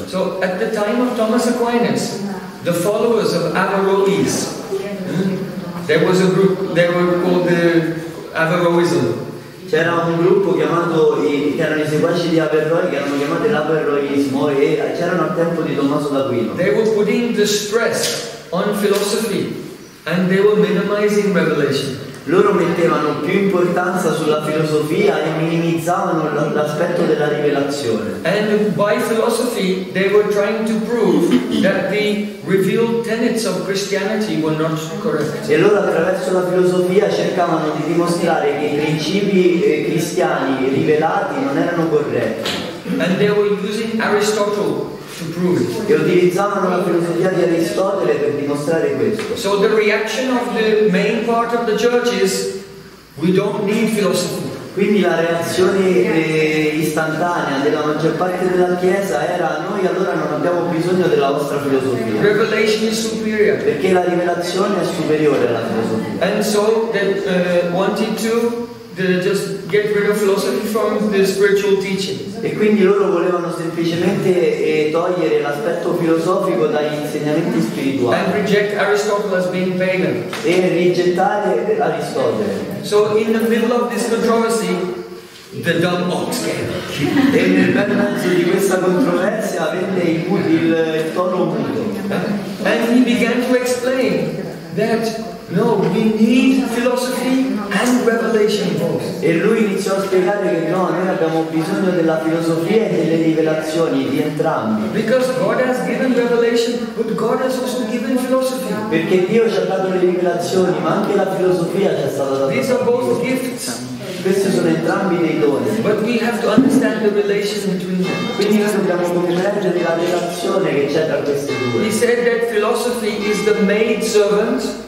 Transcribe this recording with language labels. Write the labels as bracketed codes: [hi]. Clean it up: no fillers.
[en] So at the time of Thomas Aquinas, the followers of Averroes, there was a group, they were called the Averroism. [it] C'era un gruppo chiamato, che erano i seguaci di Averroi, che erano chiamati l'Averroismo, e c'erano al tempo di Tommaso d'Aquino. [en] They were putting the stress on philosophy and they were minimizing revelation. [it] Loro mettevano più importanza sulla filosofia e minimizzavano l'aspetto della rivelazione. [en] And by philosophy they were trying to prove that the revealed tenets of Christianity were not correct. [it] E loro attraverso la filosofia cercavano di dimostrare che i principi cristiani rivelati non erano corretti. [en] And they were using Aristotle to prove it. [it] E utilizzavano la filosofia di Aristotele per dimostrare questo. [en] So the reaction of the main part of the church is we don't need philosophy. [it] Quindi la reazione istantanea della maggior parte della Chiesa era: noi allora non abbiamo bisogno della vostra filosofia. [en] Revelation is superior. [it] Perché la rivelazione è superiore alla filosofia. [en] And so they wanted to just get rid of philosophy from the spiritual teaching. [it] E quindi loro volevano semplicemente togliere l'aspetto filosofico dagli insegnamenti spirituali. [en] And reject Aristotle as being pagan. [it] E rigettare Aristotele. [en] So in the middle of this controversy, the dumb ox came. [it] E nel mezzo di questa controversia venne il tono muto. [en] And he began to explain that no, we need philosophy and revelation both. [it] E lui iniziò a spiegare che no, noi abbiamo bisogno della filosofia e delle rivelazioni di entrambi. [en] Because God has given revelation, but God has also given philosophy. [it] Perché Dio ci ha dato le rivelazioni, ma anche la filosofia ci è stata data. [en] These are both gifts. [it] Questi sono entrambi dei doni. [en] But we have to understand the relation between them. [it] Quindi noi dobbiamo comprendere la relazione che c'è tra questi due. [en] He said that philosophy is the maid servant.